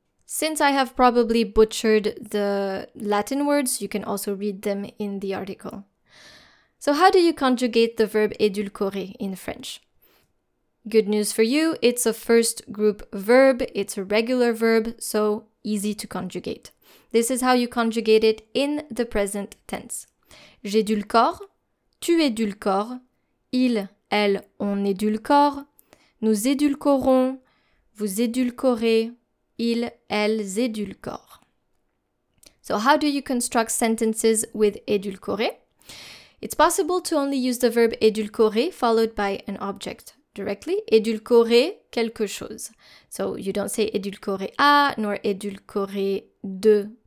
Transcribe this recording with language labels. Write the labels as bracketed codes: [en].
[en] Since I have probably butchered the Latin words, you can also read them in the article. So how do you conjugate the verb édulcoré in French? Good news for you, it's a first group verb, it's a regular verb, so easy to conjugate. This is how you conjugate it in the present tense. [fr] J'édulcore, tu édulcores, il, elle, on édulcore, nous édulcorons, vous édulcorez, ils, elles édulcorent. [en] So how do you construct sentences with édulcoré? It's possible to only use the verb édulcoré followed by an object. Directly, [fr] édulcorer quelque chose. [en] So you don't say édulcorer à nor édulcorer de.